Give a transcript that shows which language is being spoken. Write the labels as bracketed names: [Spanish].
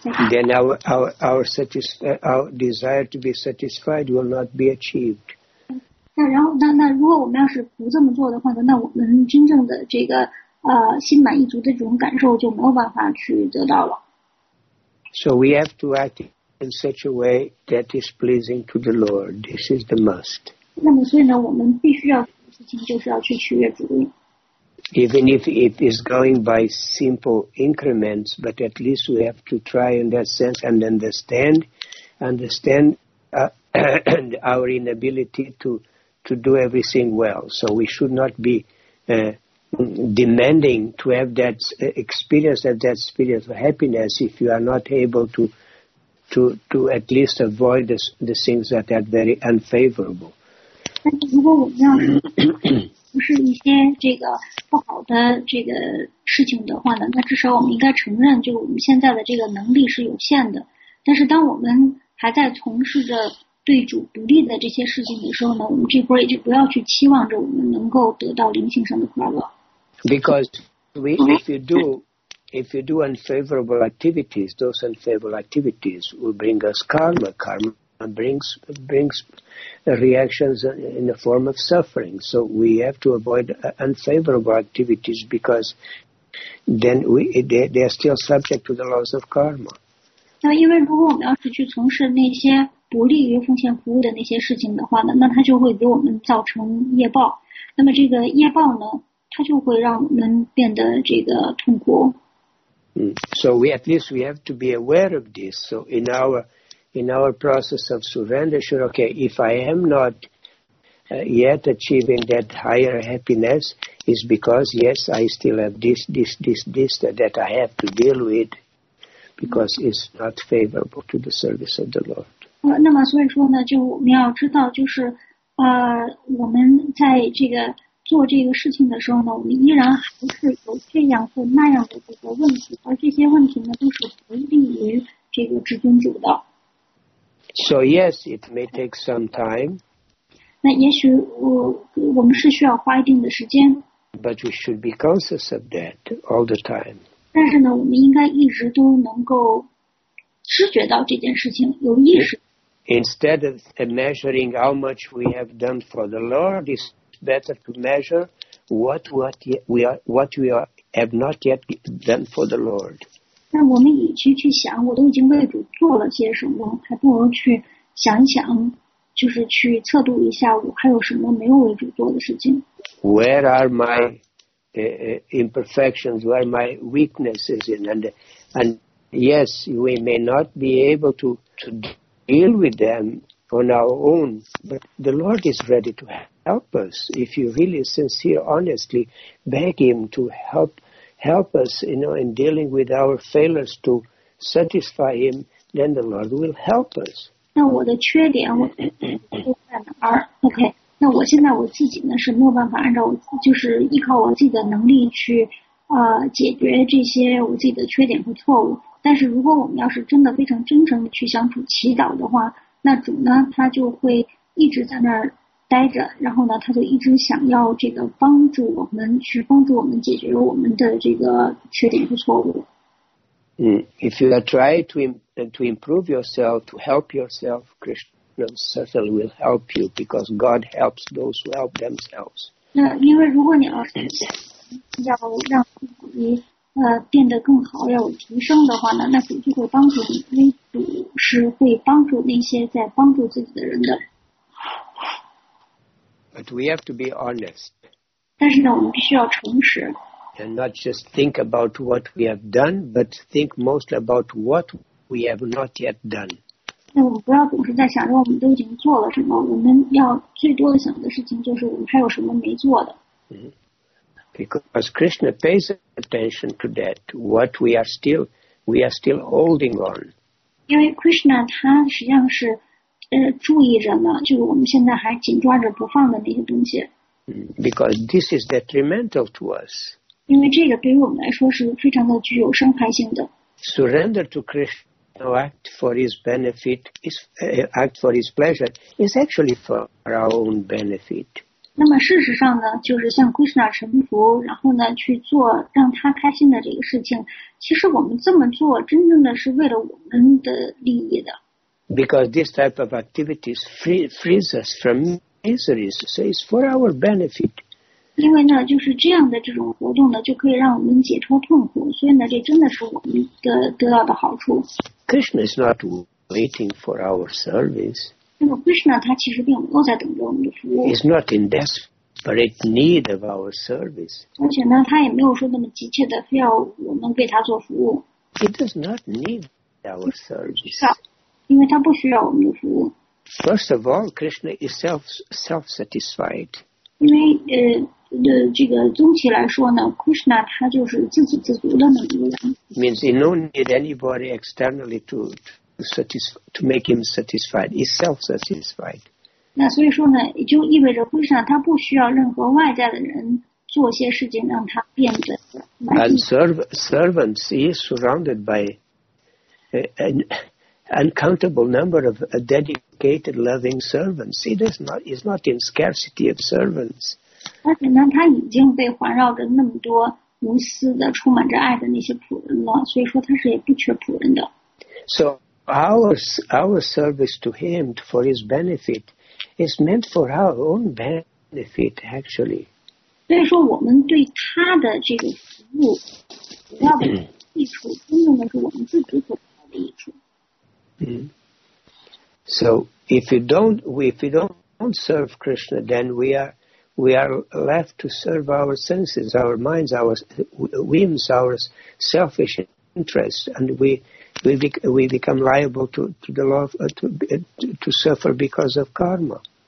[English] Then our desire to be satisfied will not be achieved. [Chinese] 那然后那如果我们要是不这么做的话呢，那我们真正的这个。心满意足的这种感受就没有办法去得到了。 [English] So we have to act in such a way that is pleasing to the Lord. This is the must. [Chinese] 那么，所以呢，我们必须要做的事情就是要去取悦主。 [English] Even if it is going by simple increments, but at least we have to try in that sense and understand our inability to do everything well. So we should not be demanding to have that experience of that spirit of happiness if you are not able to at least avoid the things that are very unfavorable. [Chinese] 但是如果我们要不是一些这个不好的这个事情的话呢，那至少我们应该承认，就我们现在的这个能力是有限的。但是当我们还在从事着对主不利的这些事情的时候呢，我们这波也就不要去期望着我们能够得到灵性上的快乐。 [English] Because if you do unfavorable activities, those unfavorable activities will bring us karma. Karma brings reactions in the form of suffering. So we have to avoid unfavorable activities because then they are still subject to the laws of karma. [Chinese] 那因为如果我们要是去从事那些不利于奉献服务的那些事情的话呢，那它就会给我们造成业报。那么这个业报呢，它就会让我们变得这个痛苦。 [English] So at least we have to be aware of this. So in our process of surrender, sure, okay, if I am not yet achieving that higher happiness, it's because yes, I still have this that I have to deal with, because it's not favorable to the service of the Lord. [Chinese] 那么所以说呢，就我们要知道，就是我们在这个做这个事情的时候呢，我们依然还是有这样或那样的这个问题，而这些问题呢，都是不利于这个至尊主的。 [English] So yes, it may take some time. [Chinese] 那也许我们是需要花一定的时间。 [English] But we should be conscious of that all the time. [Chinese] 但是呢，我们应该一直都能够知觉到这件事情，有意识。 [English] Instead of measuring how much we have done for the Lord, it's better to measure what we have not yet done for the Lord. [Chinese] 那我们与其去想我都已经为主做了些什么，还不如去想一想，就是去测度一下我还有什么没有为主做的事情。 [English] Where are my imperfections? Where are my weaknesses? And yes, we may not be able to deal with them on our own, but the Lord is ready to help us if you really sincere, honestly beg Him to help us, you know, in dealing with our failures to satisfy Him. Then the Lord will help us. [Chinese] 那我的缺点我都在哪儿 ？OK， 那我现在我自己呢是没有办法按照我就是依靠我自己的能力去解决这些我自己的缺点和错误。但是如果我们要是真的非常真诚的去相处祈祷的话，那主呢他就会一直在那儿待着，然后呢他就一直想要这个帮助我们，去帮助我们解决我们的这个缺点和错误。 [English] If you try to improve yourself, to help yourself, Krishna certainly will help you, because God helps those who help themselves. [Chinese] 那因为如果你要是要让你变得更好，要有提升的话呢，那主就会帮助你，因为主是会帮助那些在帮助自己的人的。 [English] But we have to be honest. [Chinese] 但是呢，我们必须要诚实。 [English] And not just think about what we have done, but think mostly about what we have not yet done. [Chinese] 那我们不要总是在想着我们都已经做了什么，我们要最多的想的事情就是我们还有什么没做的。 [English] Because Krishna pays attention to that, what we are still holding on. [Chinese] 因为 Krishna 他实际上是注意着呢，就是我们现在还紧抓着不放的那些东西。 [English] Because this is detrimental to us. [Chinese] 因为这个对于我们来说是非常的具有伤害性的。 [English] Surrender to Krishna, act for His benefit, act for His pleasure, is actually for our own benefit. [Chinese] 那么事实上呢，就是向 Krishna 臣服，然后呢去做让他开心的这个事情，其实我们这么做真正的是为了我们的利益的。 [English] Because this type of activities frees us from miseries, so it's for our benefit. [Chinese] 因为呢，就是这样的这种活动呢，就可以让我们解脱痛苦，所以呢，这真的是我们的得到的好处。 [English] Krishna is not waiting for our service. [Chinese] 那么 Krishna 他其实并没有在等着我们的服务。 [English] He's not in desperate need of our service. [Chinese] 而且呢，他也没有说那么急切的非要我们为他做服务。 [English] He does not need our service. [Chinese] 因为他不需要我们的服务。 [English] First of all, Krishna is self-satisfied. [Chinese] 因为这个总体来说呢 ，Krishna 他就是自给自足的那个人。 [English] Means he no need anybody externally to make him satisfied. He's self-satisfied. [Chinese] 那所以说呢，也就意味着 Krishna 他不需要任何外在的人做些事情让他变得。 [English] And servants, he is surrounded by an uncountable number of dedicated, loving servants. He is not in scarcity of servants. [Chinese] 而且呢，他已经被环绕着那么多无私的、充满着爱的那些仆人了，所以说他是也不缺仆人的。 [English] So our service to him for his benefit is meant for our own benefit, actually. So if we don't serve Krishna, then we are left to serve our senses, our minds, our whims, our selfish interests, and we become liable to the law of, to suffer because of karma.